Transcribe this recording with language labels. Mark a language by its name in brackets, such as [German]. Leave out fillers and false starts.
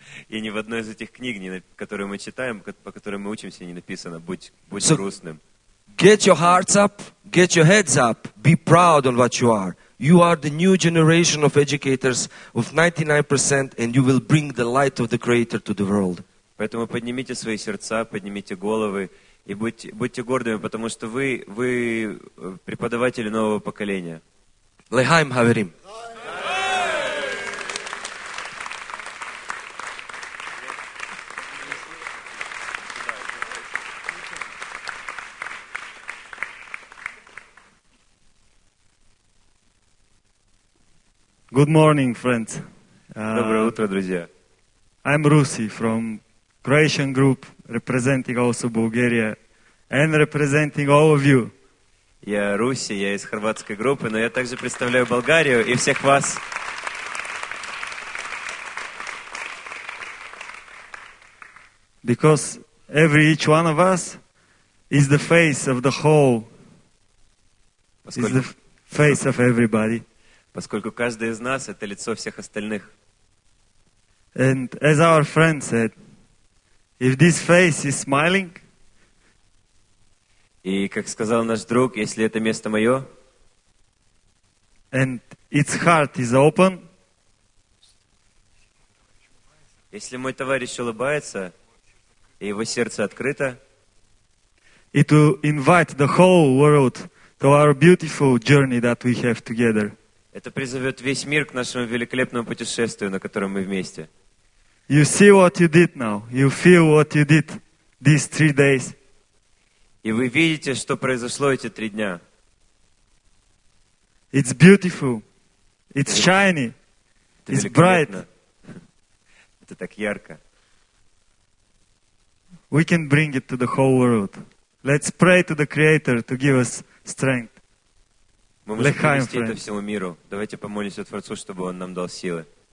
[Russian] И ни в одной из этих книг, которые мы читаем, по которым мы учимся, не написано будь грустным. [English] Get your hearts up, get your heads up, be proud on what you are. You are the new generation of educators of 99%, and you will bring the light of the Creator to the world. [Russian] Поэтому поднимите свои сердца, поднимите головы и будьте гордыми, потому что вы преподаватели нового поколения. [Hebrew] Лехаим Хаверим. [English] Good morning, friends. [Russian] Доброе утро, друзья. [English] I'm Rusi from Croatian group, representing also Bulgaria, and representing all of you. [Russian] Я Руси, я из хорватской группы, но я также представляю Болгарию и всех вас. [English] Because every each one of us is the face of the whole, is the face of everybody. [Russian] Поскольку каждый из нас это лицо всех остальных. [English] And as our friend said, if this face is smiling, [Russian] и как сказал наш друг, если это место мое, [English] and its heart is open, [Russian] если мой товарищ улыбается, и его сердце открыто, [English] it will invite the whole world to our beautiful journey that we have together. [Russian] Это призовет весь мир к нашему великолепному путешествию, на котором мы вместе. [English] You see what you did now. You feel what you did these 3 days. [Russian] И вы видите, что произошло эти три дня. [English] It's beautiful. It's shiny. It's bright. [Russian] Это так ярко. [English] We can bring it to the whole world. Let's pray to the Creator to give us strength. [Russian] Мы можем принести это всему миру. Давайте помолимся Творцу, чтобы Он нам дал силы.